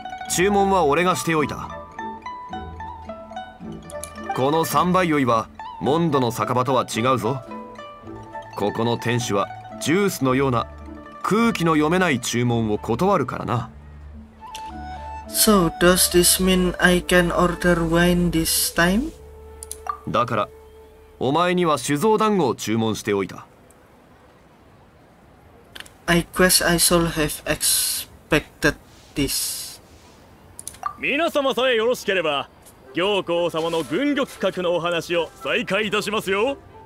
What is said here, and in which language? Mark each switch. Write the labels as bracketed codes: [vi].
[ja] 注文は俺がしておいた。この三杯酔いはモンドの酒場とは違うぞ。ここの店主はジュースのような空気の読めない注文を断るからな。 [en] So does this mean I can order wine this time? [ja] だからお前には酒造団子を注文しておいた。 [en] I guess I should have expected this. [ja] 皆様さえよろしければ、行幸様の軍玉閣のお話を再開いたしますよ。